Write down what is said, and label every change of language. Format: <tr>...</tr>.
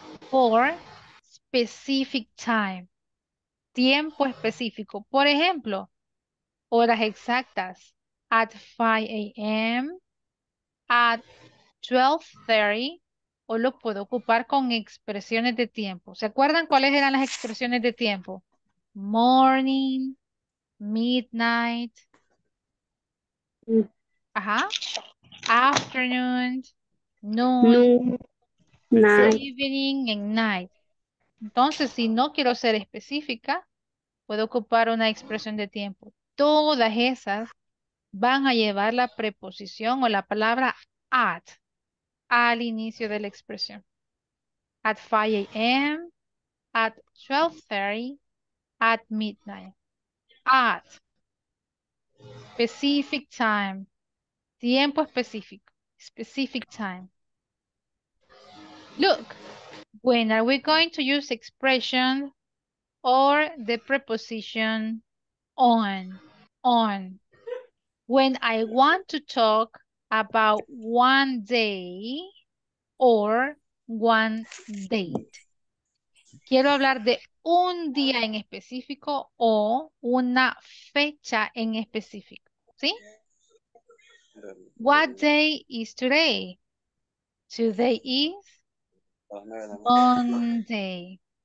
<en>For specific time.</en> <es>Tiempo específico. Por ejemplo, horas exactas.</es> <en>At 5 a.m., at 12:30,</en> <es>o lo puedo ocupar con expresiones de tiempo. ¿Se acuerdan cuáles eran las expresiones de tiempo?</es> <en>Morning, midnight, ajá, afternoon, noon, evening, and night.</en> <es>Entonces, si no quiero ser específica, puedo ocupar una expresión de tiempo. Todas esas van a llevar la preposición o la palabra at al inicio de la expresión.</es> <en>At 5 a.m., at 12:30, at midnight. At, specific time,</en> <es>tiempo específico,</es> <en>specific time. Look, when are we going to use expression or the preposition on? When I want to talk about one day or one date.</en> <es>Quiero hablar de un día en específico o una fecha en específico. ¿Sí?</es> <en>What day is today? Today is Monday.</en>